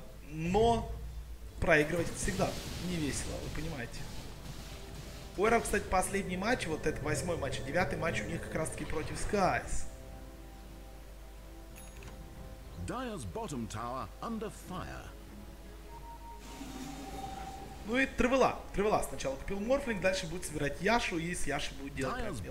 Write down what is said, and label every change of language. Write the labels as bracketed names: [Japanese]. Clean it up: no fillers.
[Russian] Но проигрывать всегда не весело, вы понимаете. У Эров, кстати, последний матч, вот это 8-й матч, 9-й матч у них как раз-таки против Skies. [English] Dire's bottom tower under fire. [Russian] Ну и Тревела. Тревела сначала купил Морфлинг, дальше будет собирать Яшу, и с Яшей будет делать.